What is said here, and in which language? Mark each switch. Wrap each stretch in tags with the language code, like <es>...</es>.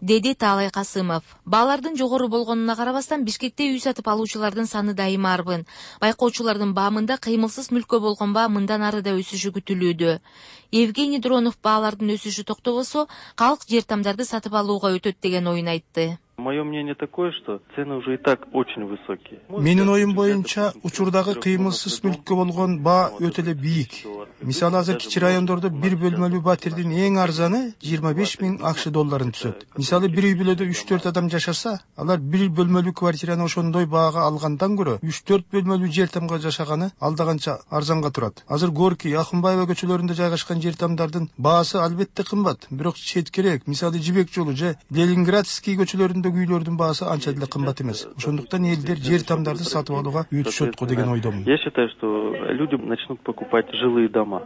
<ky>Деди Таалай Касымов. Баалардын жогору болгонуна карабастан Бишкекте үй сатып алуучулардын саны дайыма арбын. Байкоочулардын баамында кыймылсыз мүлккө болгон баа мындан ары да өсүшү күтүлүүдө. Евгений Дронов баалардын өсүшү токтобосо, калк жер тамдарды сатып алууга өтөт деген оюн айтты.</ky> <ru>Мое мнение такое, что цены уже и так очень высокие.</ru> <ky>Менин оюм боюнча учурдагы кыймылсыз мүлккө болгон баа өтө эле бийик. Мисалы, азыр кичи райондордо бир бөлмөлүү батирдин эң арзаны 25 000 акш долларын түзөт. Мисалы, бир үй бүлөдө 3-4 адам жашаса, алар бир бөлмөлүү квартираны ошондой баага алгандан көрө 3-4 бөлмөлүү жер тамга жашаганы алдаганча арзанга турат. Азыр Горький, Ахымбаева көчөлөрүндө жайгашкан жер тамдардын баасы албетте кымбат, бирок четкерээк, мисалы, Жибек жолу же Ленинградский көчөлөрү үйлөрдүн баасы анча деле кымбат эмес. Ошондуктан элдер жер тамдарды сатып алууга үтүшөтко деген ойдомун.</ky> <ru>Я считаю, что люди начнут покупать жилые дома.</ru>